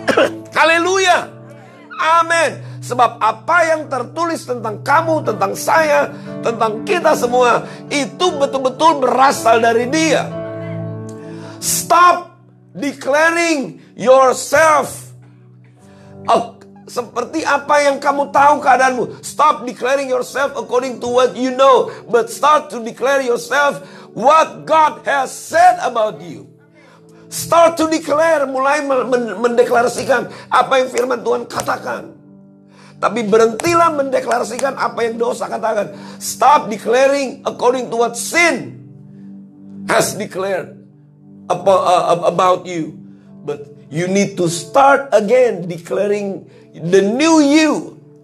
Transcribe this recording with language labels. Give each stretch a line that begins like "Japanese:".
Indonesian: Haleluya. Amin. Sebab apa yang tertulis tentang kamu, tentang saya, tentang kita semua, itu betul-betul berasal dari Dia.
English: Stop declaring yourself
Indonesian: seperti apa yang kamu tahu keadaanmu.
English: Stop declaring yourself according to what you know, but start to declare yourself what God has said about you. Start to declare,
Indonesian: mulai mendeklarasikan apa yang firman Tuhan katakan. Tapi berhentilah mendeklarasikan apa yang dosa katakan.
English: Stop declaring according to what sin has declared about you. But you need to start again declaring the new you.